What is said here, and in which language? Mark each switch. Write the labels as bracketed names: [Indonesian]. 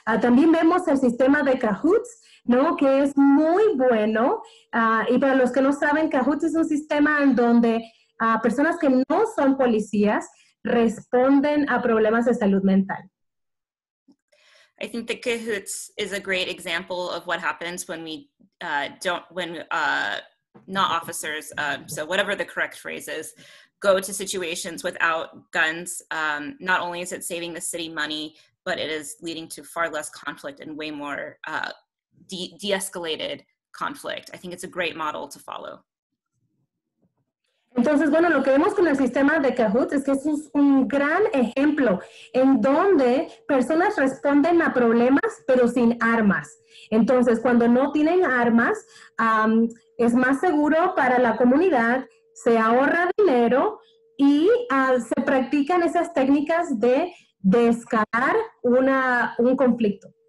[Spanish] También vemos el sistema de Kahoot, ¿no?, que es muy bueno, y para los que no saben, Kahoot es un sistema en donde personas que no son policías responden a problemas de salud mental. [English] I think the Kahoot is a great example of what happens when we not officers, so whatever the correct phrase is, go to situations without guns. Not only is it saving the city money, but it is leading to far less conflict and way more de-escalated conflict. I think it's a great model to follow. [Spanish] Entonces, bueno, lo que vemos con el sistema de Kahoot es que es un gran ejemplo en donde personas responden a problemas, pero sin armas. Entonces, cuando no tienen armas, es más seguro para la comunidad, se ahorra dinero y se practican esas técnicas de escalar un conflicto.